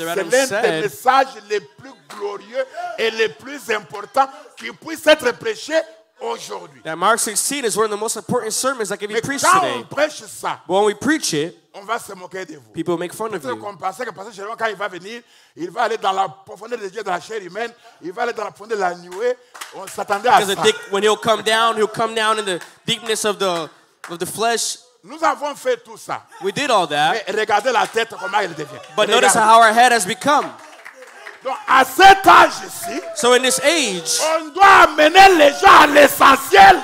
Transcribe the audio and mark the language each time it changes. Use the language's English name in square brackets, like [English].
[French] l'un des messages les plus glorieux et les plus importants qui puissent être prêchés aujourd'hui. [English] That Mark 16 is one of the most important sermons that can be [French] Mais [English] preached [French] quand [English] today. [French] On prêche ça, [English] when we preach it, [French] on va se moquer de vous. [English] People make fun [French] Peut-être [English] of you. [French] Parce que pasteur Jérôme, quand il va venir, il va aller dans la profondeur des yeux de la chair humaine, il va aller dans la profondeur de la nuée, on s'attendait à ça. [English] Because I think when he'll come down in the deepness of the flesh. [French] Nous avons fait tout ça. [English] We did all that. [French] Mais regardez la tête comment elle devient. [English] But notice how our head has become. [French] Donc à cet âge-ci, [English] so in this age, [French] on doit amener les gens à l'essentiel.